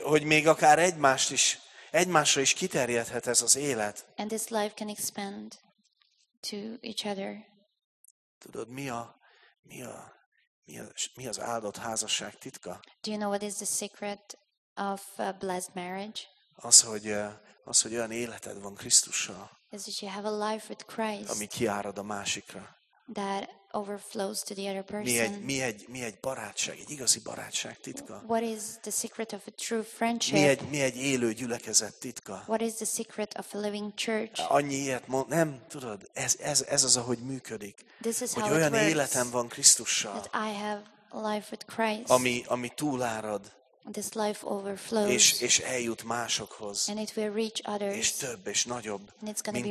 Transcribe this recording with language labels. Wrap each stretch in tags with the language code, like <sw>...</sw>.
<hu>Hogy még akár egymásra is kiterjedhet ez az élet.</hu> <en>And this life can expand to each other.</en> <hu>Tudod, mi az áldott házasság titka?</hu> <en>Do you know what is the secret of a blessed marriage?</en> <hu>Az, hogy olyan életed van Krisztussal.</hu> <en>Is that you have a life with Christ.</en> <hu>Ami kiárad a másikra.</hu> <en>That overflows to the other person.</en> <hu>Mi egy barátság, egy igazi barátság titka.</hu> <en>What is the secret of a true friendship?</en> <hu>Mi egy élő gyülekezet titka.</hu> <en>What is the secret of a living church?</en> <hu>Annyi ilyet mond, nem tudod, ez az, ahogy működik.</hu> <en>This is</en> <hu>hogy</hu> <en>how</en> <hu>olyan</hu> <en>it works,</en> <hu>életem van Krisztussal.</hu> <en>That I have life with Christ.</en> <hu>Ami túlárad.</hu> <en>This life overflows.</en> <hu>És eljut másokhoz.</hu> <en>And it will reach others.</en> <hu>És több és nagyobb,</hu> <en>and it's</en>